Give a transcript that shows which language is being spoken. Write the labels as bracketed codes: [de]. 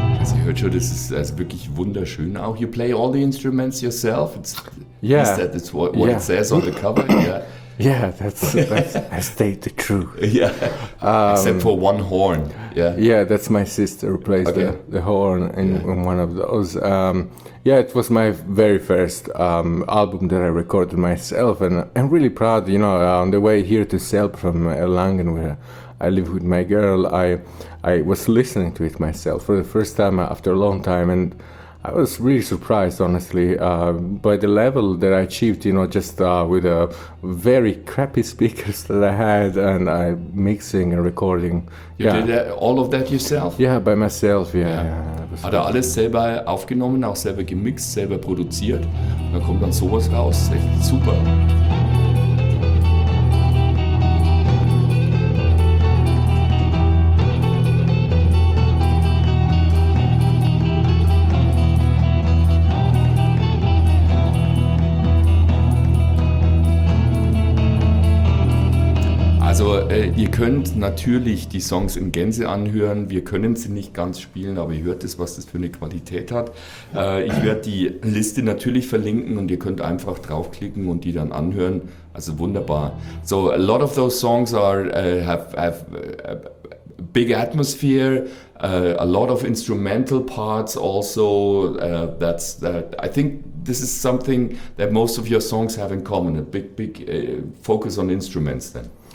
[de] Also wirklich wunderschön auch. [en] You play all the instruments yourself? Yeah. Is that what it says on the cover? Yeah. Yeah, that's I state the truth. Yeah, except for one horn. Yeah, yeah, that's my sister who plays the horn in one of those. Yeah, it was my very first album that I recorded myself, and I'm really proud. You know, on the way here to Selb from Erlangen, where I live with my girl, I was listening to it myself for the first time after a long time, and I was really surprised, honestly, by the level that I achieved, you know, just with a very crappy speakers that I had, and I mixing and recording. You did that, all of that yourself? Yeah, by myself, yeah. [de] Hat er alles selber aufgenommen, auch selber gemixt, selber produziert, und dann kommt dann sowas raus, echt super. Ihr könnt natürlich die Songs in Gänze anhören. Wir können sie nicht ganz spielen, aber ihr hört es, was das für eine Qualität hat. Ich werde die Liste natürlich verlinken und ihr könnt einfach draufklicken und die dann anhören. Also wunderbar. [en] So, a lot of those songs are have a big atmosphere, a lot of instrumental parts also. I think this is something that most of your songs have in common, a big focus on instruments then.